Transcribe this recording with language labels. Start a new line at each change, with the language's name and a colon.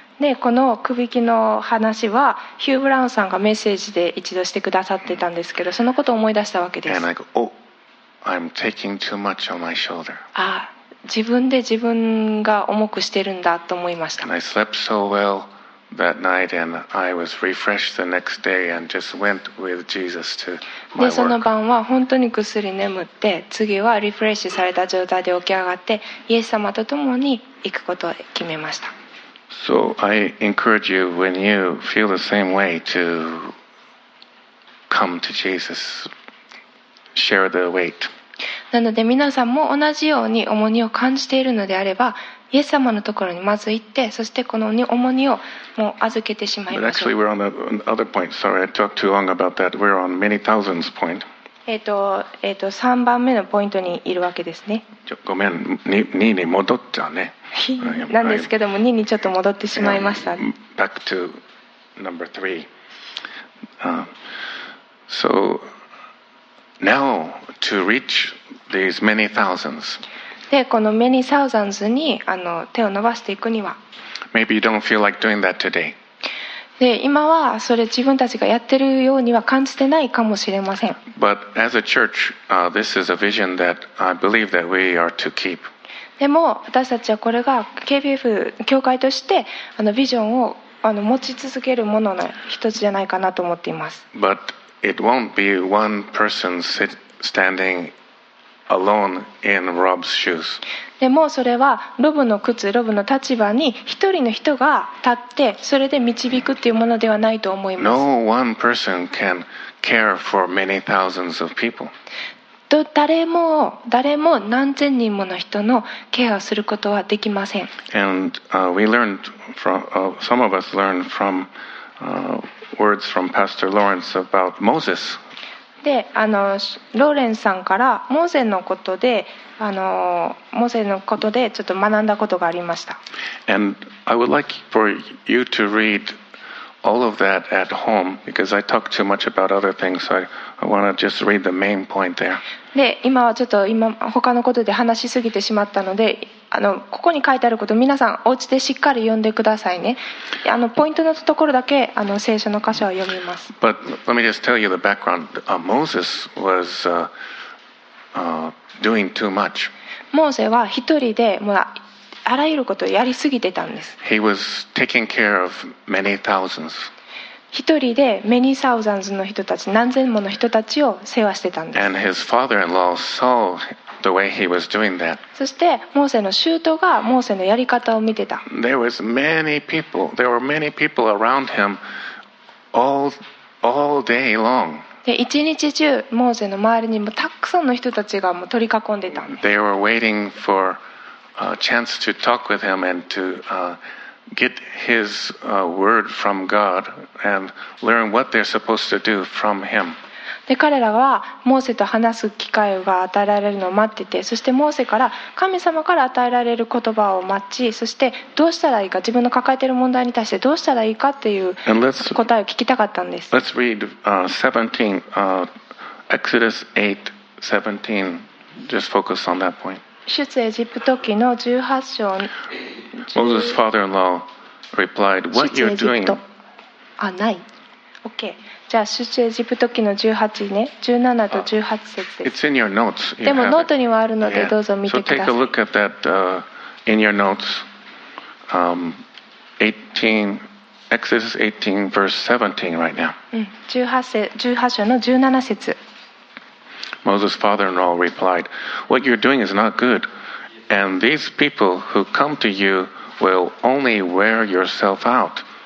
Japanese: でこの首輝きの話はヒュー・ブラウンさんがメッセージで一度してくださってたんですけど、そのことを思い出したわけです。
English: And I go, oh,I'm taking too much on my shoulder.
Japanese: ああ、自分で自分が重くしてるんだと思いました。
English: And I slept so well that night, and I was refreshed the next day, and just went with Jesus to my work.
Japanese: で、その晩は本当にぐっすり眠って、次はリフレッシュされた状態で起き上がって、イエス様と共に行くことを決めました。
English: So I encourage you when you feel the same way to come to Jesus. Share the weight.
Japanese: なので皆さんも同じように重荷を感じているのであれば、イエス様のところにまず行って、そしてこの重荷をもう預けてしまいましょう。
English: But actually, we're on another point. Sorry, I talked too long about that. We're on many thousands point.
Japanese: 三番目のポイントにいるわけですね。ごめん、2に戻っちゃうね。なんですけども、2にちょっと戻ってしまいました。
English: Back to number three. So. Now, to reach these many thousands.
Japanese: で、この
English: many thousands
Japanese: に手を伸ばしていくには。
English: Maybe you don't feel like doing that today.
Japanese: で、今はそれ自分たちがやってるようには感じてないかもしれません。
English: But as a church, this is a vision that I believe that we are to keep.
Japanese: でも私たちはこれが KBF 教会としてビジョンを持ち続けるものの一つじゃないかなと思っています。
English: But It won't be one person standing alone in Rob's shoes.
Japanese: でもそれはロブの靴、ロブの立場に一人の人が立ってそれで導くっていうものではないと思います。
English: No one person can care for many thousands of people.
Japanese: 誰も何千人もの人のケアをすることはできません。
English: And we learned from some of us learned from words from Pastor Lawrence about Moses.
Japanese: で、ローレンさんからモーゼのことで、モーゼのことでちょっと学んだことがありました。
English: And I would like for you to read all of that at home because I talk too much about other things. So I want to just read the main point there.
Japanese: で、今はちょっと他のことで話しすぎてしまったので。ここに書いてあることを皆さんお家でしっかり読んでくださいね。ポイントのところだけ聖書の箇所を読みます。
English: But let me just tell you the background. Moses was doing too much.
Japanese: モーゼは一人でもうあらゆることをやりすぎてたんです。
English: He was taking care of many thousands.
Japanese: 一人で
English: many thousands
Japanese: の人たち、何千もの人たちを世話してたんです。
English: And his father-in-law Saul the way he was doing that.
Japanese: そしてモーセの修道がモーセのやり方を見てた。
English: There was many people, there were many people around him all day long.
Japanese: で一日中モーセの周りにもたくさんの人たちがもう取り囲んでたんです。
English: They were waiting for a chance to talk with him and to get his word from God and learn what they're supposed to do from him.
Japanese: で彼らはモーセと話す機会が与えられるのを待ってて、そしてモーセから神様から与えられる言葉を待ち、そしてどうしたらいいか、自分の抱えている問題に対してどうしたらいいかっていう答えを聞きたかったんです。
English: Let's read 17 Exodus 8:17. Just focus on that point.
Japanese: 出エジプト記の18章。
English: Moses' father-in-law replied, What you're doing?
Japanese: あ、ない。OK。じゃあ出エジプト記の18ね、17と18節です。
English: It's in your notes.
Japanese: でもノートにはあるのでどうぞ見てください。
English: So take a look at that in your notes. 18 Exodus 18 verse 17 right now.
Japanese: 18章の17節。
English: Moses' father-in-law replied, "What you're doing is not good, and these people who come to you will only wear yourself out."